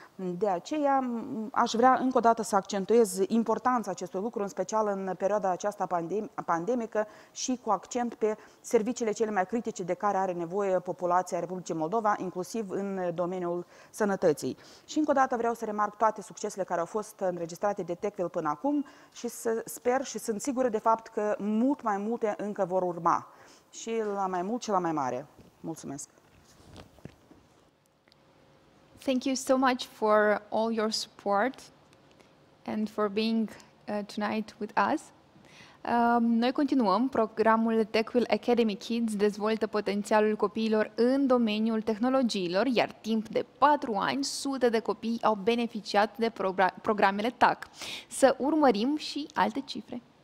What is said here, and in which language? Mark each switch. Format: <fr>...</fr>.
<ro>De aceea aș vrea încă o dată să accentuez importanța acestui lucru, în special în perioada aceasta pandemică și cu accent pe serviciile cele mai critice de care are nevoie populația Republicii Moldova, inclusiv în domeniul sănătății. Și încă o dată vreau să remarc toate succesele care au fost înregistrate de TechWell până acum și să sper și sunt sigură de fapt că mult mai multe încă vor urma și la mai mult și la mai mare. Mulțumesc.</ro> <en>Thank you so much for all your support and for being tonight with us.</en> <ro>Noi continuăm programul TechWheel Academy Kids dezvoltă potențialul copiilor în domeniul tehnologiilor, iar timp de 4 ani sute de copii au beneficiat de programele TAC. Să urmărim și alte cifre.</ro>